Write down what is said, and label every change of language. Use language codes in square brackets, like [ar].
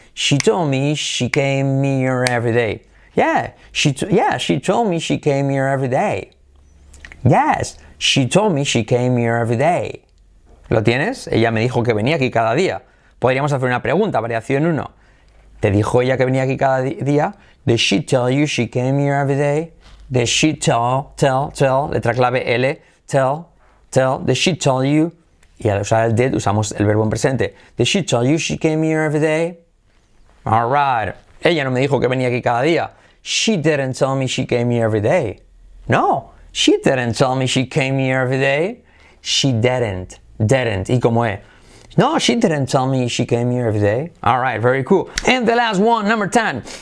[en] She told me she came here every day. Yeah. She told me she came here every day. Yes. She told me she came here every day. [es] ¿Lo tienes? Ella me dijo que venía aquí cada día. Podríamos hacer una pregunta, variación 1. ¿Te dijo ella que venía aquí cada día? [en] Did she tell you she came here every day? Did she tell, [es] letra clave L, [en] tell, did she tell you? [es] Y al usar el did, usamos el verbo en presente. [en] Did she tell you she came here every day? All right. [es] Ella no me dijo que venía aquí cada día. [en] She didn't tell me she came here every day. No, she didn't tell me she came here every day. She didn't. [es] ¿Y cómo es? [en] No, she didn't tell me she came here every day. All right, very cool. And the last one, number 10.